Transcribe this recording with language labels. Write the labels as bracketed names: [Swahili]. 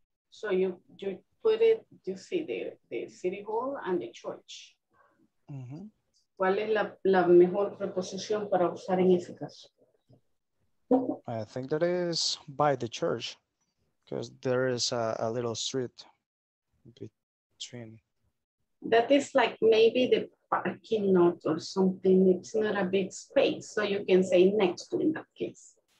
[English] So you put it, you see the city hall and the church. Mm-hmm. [Spanish] ¿Cuál es la mejor preposición para usar en ese caso? [English] I think that is by the church, because there is a little street between. That is like maybe the parking lot or something. It's not a big space, so you can say next to in that case.